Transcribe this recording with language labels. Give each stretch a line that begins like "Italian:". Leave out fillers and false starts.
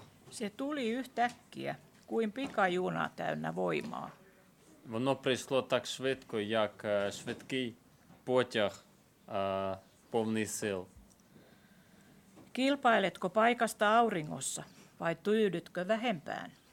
Finnish: Se tuli yhtäkkiä, kuin pikajuna täynnä voimaa.
Ukrainian: Воно прийшло так швидко, як швидкий потяг, повний сил.
Finnish: Kilpailetko paikasta auringossa vai tyydytkö vähempään?